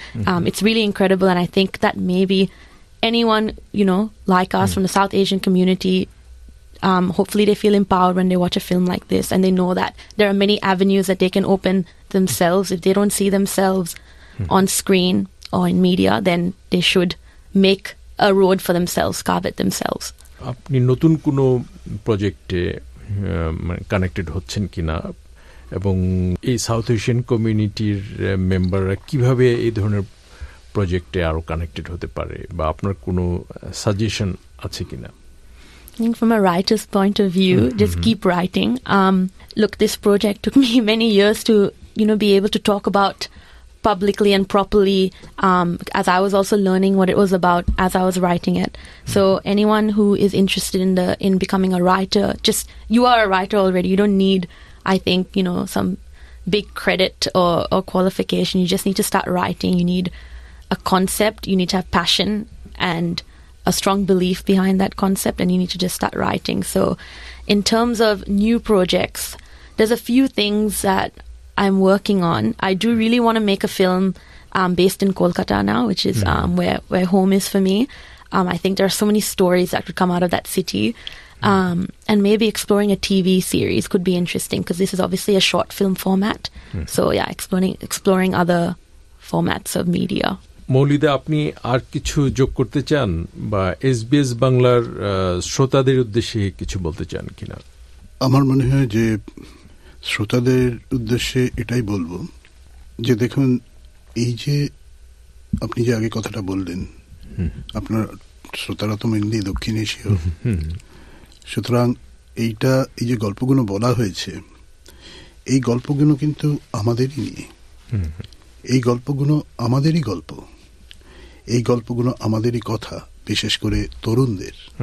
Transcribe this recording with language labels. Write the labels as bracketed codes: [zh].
[en] It's really incredible. And I think that maybe anyone, you know, like us from the South Asian community, hopefully they feel empowered when they watch a film like this, and they know that there are many avenues that they can open themselves. If they don't see themselves on screen or in media, then they should make a road for themselves, carve it themselves. [bn] আপনি নতুন কোনো প্রজেক্টে connected হচ্ছেন কিনা, এবং এই south Asian কমিউনিটির মেম্বাররা কিভাবে এই ধরনের প্রজেক্টে আরো কানেক্টেড হতে পারে, বা আপনার কোনো সাজেশন আছে কিনা? [en] happening from a writer's point of view. Mm-hmm. Just keep writing. Look, this project took me many years to, you know, be able to talk about publicly and properly, as I was also learning what it was about as I was writing it. So anyone who is interested in the in becoming a writer, just you are a writer already. You don't need, I think, you know, some big credit or qualification. You just need to start writing. You need a concept. You need to have passion and a strong belief behind that concept, and you need to just start writing. So in terms of new projects, there's a few things that I'm working on. I do really want to make a film based in Kolkata now, which is where home is for me. I think there are so many stories that could come out of that city. And maybe exploring a TV series could be interesting, because this is obviously a short film format. So yeah, exploring other formats of media. [bn] মৌলিদে, আপনি আর কিছু যোগ করতে চান বা SBS বাংলার শ্রোতাদের উদ্দেশ্যে কিছু বলতে চান কিনা? আমার মনে হয় যে শ্রোতাদের উদ্দেশ্যে এটাই বলবো যে দেখুন, এই যে আপনি যে আগে কথাটা বললেন, আপনার শ্রোতারা তো মেনলি দক্ষিণ এশীয়, সুতরাং এইটা এই যে গল্পগুলো বলা হয়েছে, এই গল্পগুলো কিন্তু আমাদেরই নিয়ে, এই গল্পগুলো আমাদেরই গল্প, এই গল্পগুলো আমাদেরই কথা, বিশেষ করে তরুণদের।